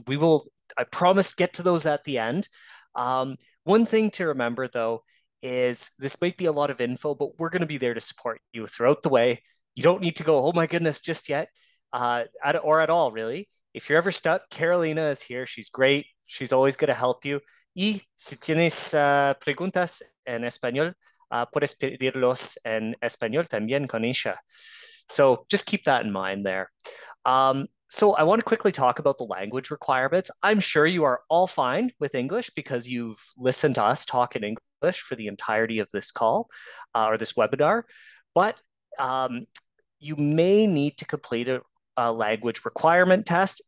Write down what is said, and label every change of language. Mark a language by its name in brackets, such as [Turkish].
[English] We will, I promise, get to those at the end. One thing to remember, though, is this might be a lot of info, but we're going to be there to support you throughout the way. You don't need to go, oh my goodness, just yet, or at all, really. If you're ever stuck, Carolina is here. She's great. She's always going to help you. [Spanish] Y si tienes preguntas en español, puedes pedirlos en español también con ella. [English] So just keep that in mind there. So I want to quickly talk about the language requirements. I'm sure you are all fine with English because you've listened to us talk in English for the entirety of this call or this webinar. But you may need to complete a language requirement test.